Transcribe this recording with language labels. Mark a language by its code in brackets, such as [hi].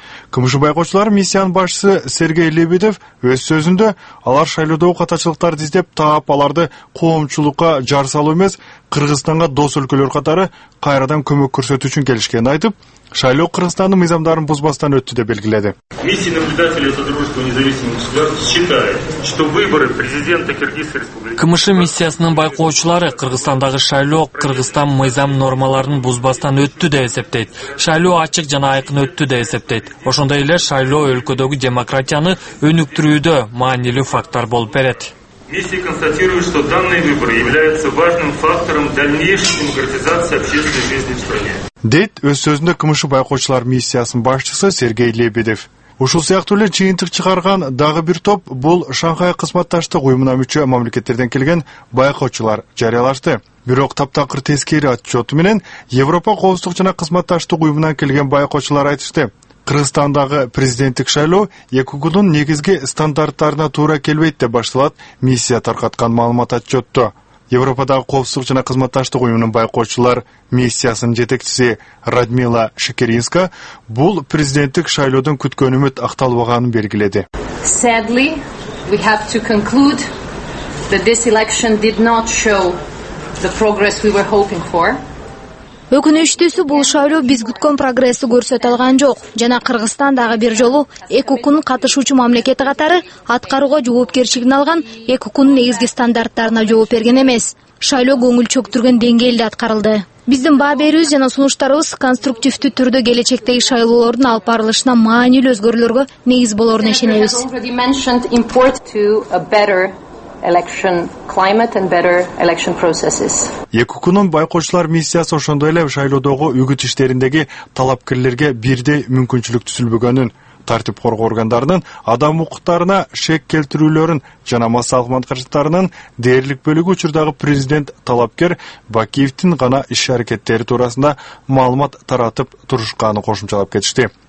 [ky] КМШ байкоочулар миссиянын башчысы Сергей Лебедев өз сөзүндө алар шайлоодогу катачылыктарды издеп таап, аларды коомчулукка жар салуу эмес, Кыргызстанга дос өлкөлөр катары кайрадан көмөк көрсөтүү үчүн келишкенин айтып, шайлоо Кыргызстандын мыйзамдарын бузбастан өттү деп белгиледи. [ru] Миссия наблюдателей Содружества независимых государств считает, что выборы президента Кыргызской республики. [ky] КМШ миссиясынын байкоочулары Кыргызстандагы шайлоо Кыргызстан мыйзам нормаларын бузбастан өттү деп эсептейт. Шайлоо ачык жана айкын өттү деп эсептейт. Ошондой эле шайлоо өлкөдөгү демократияны өнүктүрүүдө маанилүү фактор болуп берет. [ru] Миссия констатирует, что данные выборы являются важным фактором дальнейшей демократизации общественной жизни в стране. [ky] Дейт өз сөзүндө КМШ байкоочулар миссиясынын башчысы Сергей Лебедев. Ушул сыяктуу эле жыйынтык чыгарган дагы бир топ, бул Шанхай кызматташтык уюмуна мүчө мамлекеттерден келген байкоочулар жарыялашты. Бирок таптакыр тескери отчёту менен Европа коопсуздук жана кызматташтык уюмунан келген байкоочулар айтышты. Кыргызстандагы президенттик шайлоо ЭКК'нун негизги стандарттарына туура келбейт деп башталат миссия таркаткан маалымат отчётто. Европадагы коопсуздук жана кызматташтык уюмунун байкоочулар миссиясынын жетекчиси Радмила Шекеринска бул президенттик шайлоодон күткөн үмүт акталбаганын белгиледи. [en] Sadly, we have to conclude that this election did not show the progress we were hoping for. [ky] Өкүнүчтүүсү, бул шайлоо биз күткөн прогрессти көрсөтө алган жок жана Кыргызстан дагы бир жолу ЭКК'нун катышуучу мамлекети катары аткарууга жоопкерчилигин алган ЭКК'нун негизги стандарттарына жооп берген эмес. Шайлоо көңүл чөктүргөн деңгээлде аткарылды. Биздин баа берүүбүз жана сунуштарыбыз конструктивдүү түрдө келечектеги шайлоолордун алып барылышына маанилүү өзгөрүүлөргө негиз болоруна ишенебиз. [en] Election climate and better election processes. [ky] ЕКК'нун байкоочулар миссиясы ошондой эле шайлоодогу үгүт иштериндеги талапкерлерге бирдей мүмкүнчүлүк түзүлбөгөнүн, тартип коргоо органдарынын адам укуктарына шек келтирүүлөрүн жана массалык манкарттарынын дээрлик бөлүгү учурдагы президент талапкер Бакиевдин гана иш аракеттери туурасында маалымат таратып турушканы кошумчалап кетишти.